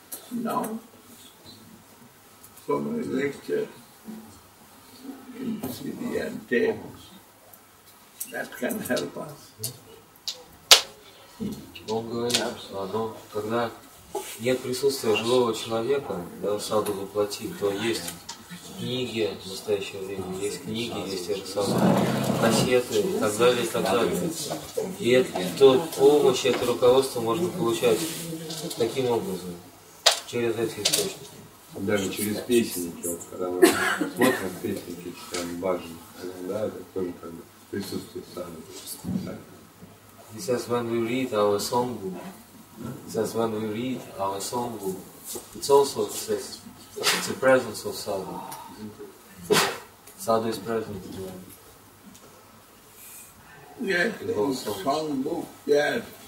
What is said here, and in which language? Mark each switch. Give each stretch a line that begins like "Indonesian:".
English: Helping us now, so many lectures in CD and tapes that can help us.
Russian: Он говорит, но когда нет присутствия живого человека, да, саду воплоти, то есть книги в настоящее время, есть книги, есть эти самые кассеты и так далее, и так далее. И эту помощь, это руководство можно получать таким образом, через эти источники. Даже через песенники, вот когда мы смотрим песенники, читаем бажан, да, это тоже как бы присутствие сами.
English: He says, when we read our songbook, it's also, it says, it's a presence of sadhu. Sadhu is present as well. Yes, it's a song book, yes.